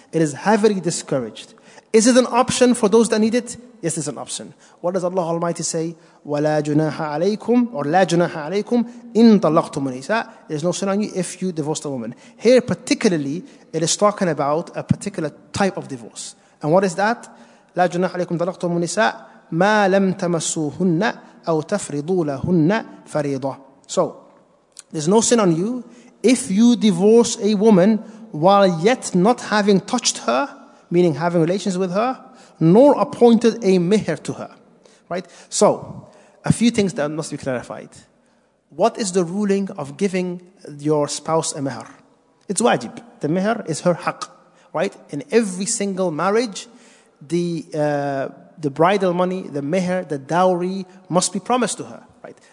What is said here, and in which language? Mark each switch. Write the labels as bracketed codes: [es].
[en] It is heavily discouraged. Is it an option for those that need it? Yes, it's an option. What does Allah Almighty say? [ar] وَلَا جُنَاحَ عَلَيْكُمْ [en] or [ar] لَا جُنَاحَ عَلَيْكُمْ إِن طَلَّقْتُمُ النِّسَاءَ [en] There's no sin on you if you divorce a woman. Here particularly, it is talking about a particular type of divorce. And what is that? [ar] لَا جُنَاحَ عَلَيْكُمْ طَلَّقْتُمُ النِّسَاءَ مَا لَمْ تَمَسُّوهُنَّ أَوْ تَفْرِضُوا لَهُنَّ فَرِيضًا [en] So, there's no sin on you if you divorce a woman while yet not having touched her, meaning having relations with her, nor appointed a mihr to her. Right? So, a few things that must be clarified. What is the ruling of giving your spouse a mihr? It's wajib. The mihr is her haqq. Right? In every single marriage, the bridal money, the mihr, the dowry must be promised to her. Right?